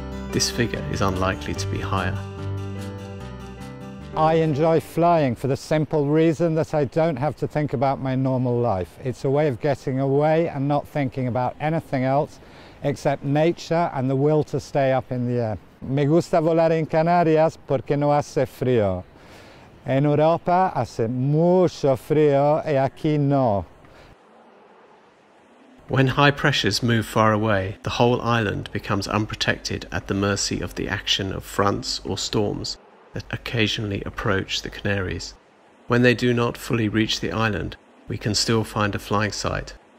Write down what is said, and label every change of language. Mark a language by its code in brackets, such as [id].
[en] This figure is unlikely to be higher. I enjoy flying for the simple reason that I don't have to think about my normal life. It's a way of getting away and not thinking about anything else except nature and the will to stay up in the air. [es] Me gusta volar en Canarias porque no hace frío. En Europa hace mucho frío y aquí no. [en] When high pressures move far away, the whole island becomes unprotected at the mercy of the action of fronts or storms that occasionally approach the Canaries. When they do not fully reach the island, we can still find a flying site.